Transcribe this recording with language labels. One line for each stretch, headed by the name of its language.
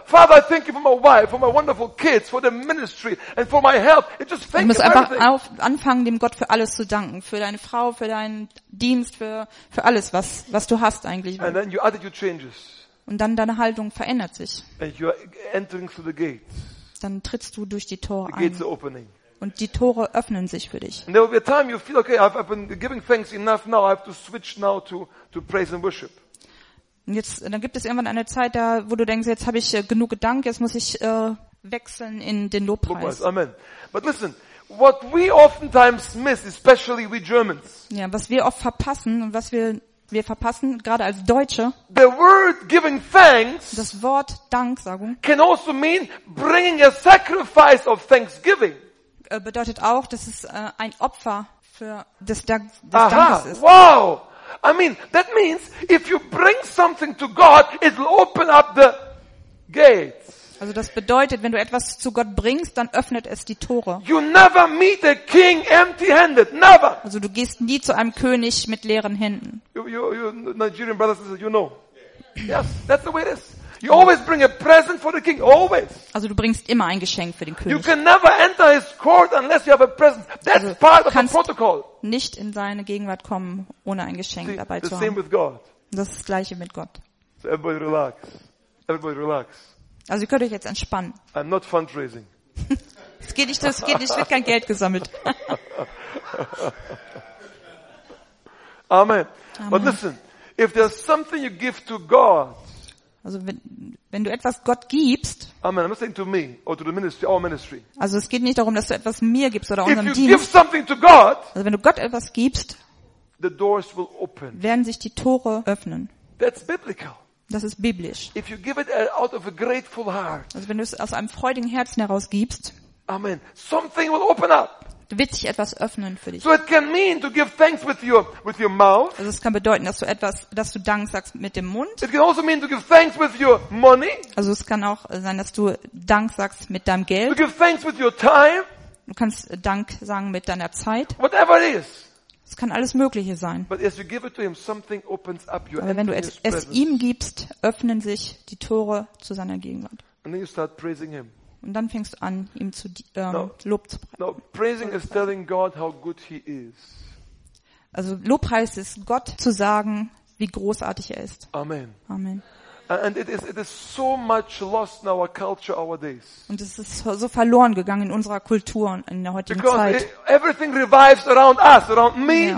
English: Father, I thank you for my wife, for my wonderful kids, for the ministry and for my health. It just thank
German: you. Du musst einfach anfangen, dem Gott für alles zu danken, für deine Frau, für deinen Dienst, für alles, was du hast eigentlich.
English: And then your attitude changes.
German: Und dann deine Haltung verändert sich.
English: And you are entering through the gates.
German: Dann trittst du durch die Tore ein.
English: The gates are opening.
German: Und die Tore öffnen sich für dich.
English: And there will be a time you feel okay, I've been giving thanks enough now, I have to switch now to praise and worship.
German: Und jetzt, dann gibt es irgendwann eine Zeit, da, wo du denkst, jetzt habe ich genug Gedanken, jetzt muss ich wechseln in den Lobpreis. Amen.
English: But listen, what we oftentimes miss, especially we Germans.
German: Ja, was wir oft verpassen und was wir verpassen, gerade als Deutsche.
English: The word giving thanks.
German: Das Wort Danksagung.
English: Can also mean bringing a sacrifice of thanksgiving.
German: Bedeutet auch, dass es ein Opfer für des Dankes ist. Aha. Wow.
English: I mean, that means if you bring something to God, it will open up the gates.
German: Also das bedeutet, wenn du etwas zu Gott bringst, dann öffnet es die Tore.
English: You never meet a king empty-handed. Never.
German: Also du gehst nie zu einem König mit leeren Händen.
English: You Nigerian brothers, you know. Yes, that's the way it is. You always bring a present for the king, always.
German: Also du bringst immer ein Geschenk für den König.
English: You can never enter his court unless you have a present. That's also part of the protocol.
German: Nicht in seine Gegenwart kommen ohne ein Geschenk dabei zu haben.
English: The same with God.
German: Das ist das gleiche mit Gott.
English: So everybody relax. Everybody relax.
German: Also ihr könnt euch jetzt entspannen.
English: I'm not fundraising.
German: Es geht nicht, es wird kein Geld gesammelt. Amen.
English: But listen, if there's something you give to God,
German: also wenn du etwas Gott gibst.
English: Amen. I'm not saying to me or to the ministry, our ministry.
German: Also es geht nicht darum, dass du etwas mir gibst oder unserem Dienst.
English: If you give something to God,
German: also wenn du Gott etwas gibst,
English: the doors will open.
German: Werden sich die Tore öffnen.
English: That's biblical.
German: Das ist biblisch.
English: If you give it out of a grateful heart.
German: Also wenn du es aus einem freudigen Herzen heraus gibst.
English: Amen. Something will open up.
German: Wird sich etwas öffnen für dich.
English: So it can mean to give thanks with your mouth.
German: Also es kann bedeuten, dass du Dank sagst mit dem Mund.
English: It can also mean to give thanks with your money.
German: Also es kann auch sein, dass du Dank sagst mit deinem Geld.
English: To give thanks with your time.
German: Du kannst Dank sagen mit deiner Zeit.
English: Whatever it is.
German: Es kann alles Mögliche sein.
English: But as you give it to him, something opens up.
German: Aber wenn du es ihm gibst, öffnen sich die Tore zu seiner Gegenwart.
English: And then you start praising him.
German: Und dann fängst du an, ihm zu Lob zu preisen.
English: No, praising is telling God how good he is.
German: Also Lobpreis ist Gott zu sagen, wie großartig er ist. Amen. Amen.
English: And it is so much lost in our culture nowadays.
German: Und es ist so verloren gegangen in unserer Kultur in der heutigen
English: Because
German: Zeit.
English: Everything revives around us, around me, yeah.